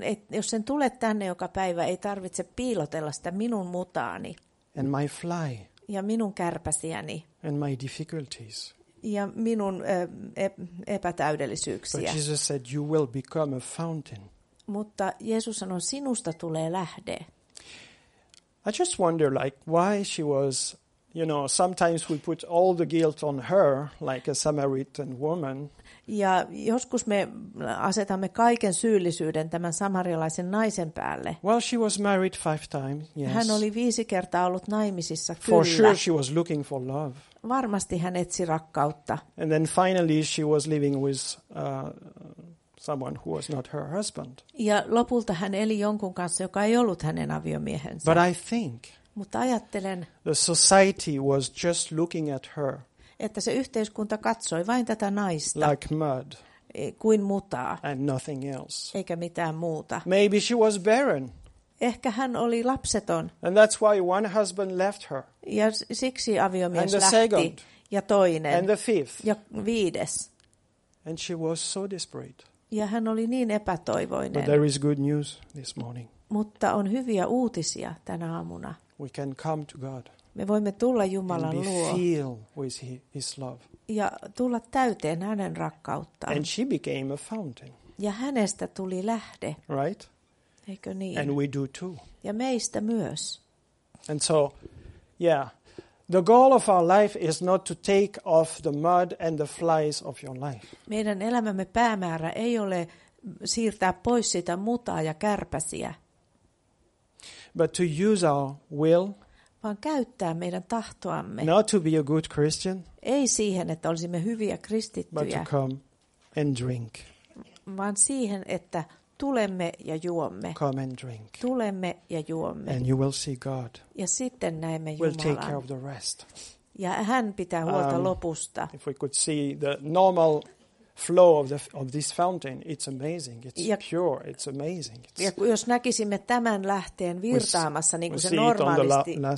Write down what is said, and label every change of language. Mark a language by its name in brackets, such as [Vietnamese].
[Finnish] Jos sen tulee tänne joka päivä, ei tarvitse piilotella sitä minun mutaani. [English] And my fly. [Finnish] Ja minun kärpäsiäni. [English] And my difficulties. [Finnish] Ja minun epätäydellisyyksiä. [English] But Jesus said, "You will become a fountain." [Finnish] Mutta Jeesus sanoi, sinusta tulee lähde. [English] I just wonder, like, why she was, you know, sometimes we put all the guilt on her, like a Samaritan woman. [Finnish] Ja joskus me asetamme kaiken syyllisyyden tämän samarialaisen naisen päälle. [English] Well, she was married 5 times, yes. [Finnish] Hän oli 5 kertaa ollut naimisissa, kyllä. [English] For sure she was looking for love. [Finnish] Varmasti hän etsi rakkautta. [English] And then finally she was living with someone who was not her husband. [Finnish] Ja lopulta hän eli jonkun kanssa, joka ei ollut hänen aviomiehensä. [English] But I think. [Finnish] Mutta ajattelen. [English] The society was just looking at her. [Finnish] Että se yhteiskunta katsoi vain tätä naista. [English] Like mud. [Finnish] Kuin mutaa. [English] And nothing else. [Finnish] Eikä mitään muuta. [English] Maybe she was barren. [Finnish] Ehkä hän oli lapseton. [English] And that's why one husband left her. [Finnish] Ja siksi aviomies lähti. [English] Second. [Finnish] Ja toinen. [English] And the fifth. [Finnish] Ja viides. [English] And she was so desperate. [Finnish] Ja hän oli niin epätoivoinen. [English] But there is good news this morning. [Finnish] Mutta on hyviä uutisia tänä aamuna. [English] We can come to God. [Finnish] Me voimme tulla Jumalan luo. [English] And be filled with his love. [Finnish] Ja tulla täyteen hänen rakkauttaan. [English] And she became a fountain. [Finnish] Ja hänestä tuli lähde. [English] Right? [Finnish] Eikö niin? [English] And we do too. [Finnish] Ja meistä myös. [English] And so, yeah. The goal of our life is not to take off the mud and the flies of your life. [Finnish] Meidän elämämme päämäärä ei ole siirtää pois sitä mutaa ja kärpäsiä. [English] But to use our will. [Finnish] Vaan käyttää meidän tahtoamme. [English] Not to be a good Christian. [Finnish] Ei siihen, että olisimme hyviä kristittyjä. [English] But to come and drink. [Finnish] Vaan siihen, että tulemme ja juomme. [English] Come and drink. [Finnish] Tulemme ja juomme. [English] And you will see God. [Finnish] Ja sitten näemme Jumalan. [English] We'll take care of the rest. [Finnish] Ja hän pitää huolta lopusta. [English] If we could see the normal flow of this fountain, it's amazing. It's pure. It's amazing. It's, [Finnish] ja jos näkisimme tämän lähteen virtaamassa, niin kuin se normaalisti